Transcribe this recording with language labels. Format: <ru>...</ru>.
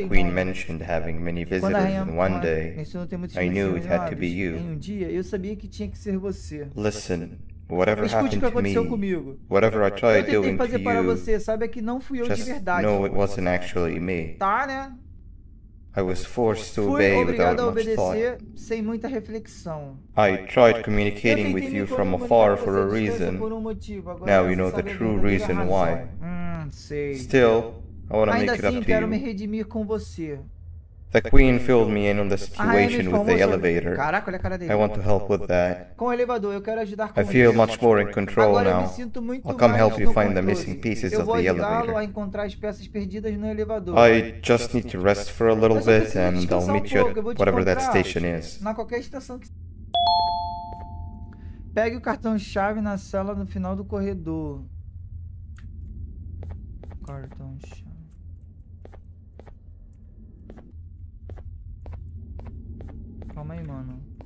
<en>When the queen mentioned having many visitors in one day, I knew it had to be you.</en> <pt>Em um dia, eu sabia que tinha que ser você.</pt> <en>Listen, whatever happened to me, whatever I tried doing to you,</en> <pt>sabe que não fui eu de verdade.</pt> <en>No, it wasn't actually me.</en> <pt>Tá, né?</pt> <en>I was forced to obey without much thought.</en> <pt>Sem muita reflexão.</pt> <en>I tried communicating with you from afar for a reason. Now you know the true reason why. Still, I want to make it up to you. The queen filled me in on the situation with the elevator.</en> <pt>Caraca, olha a cara dele.</pt> <en>I want to help with that.</en> <pt>Com o elevador, eu quero ajudar com</pt> <en>I feel much more in control now.</en> <pt>Agora, eu me sinto muito</pt> <en>I'll come help you find the missing pieces of the elevator.</en> <pt>A encontrar as peças perdidas no elevador.</pt> <en>I just need to rest for a little bit and I'll meet you at whatever that station is.</en> <pt>Na qualquer estação que... Pegue o cartão-chave na cela no final do corredor. Cartão-chave. Calma aí, mano.</pt>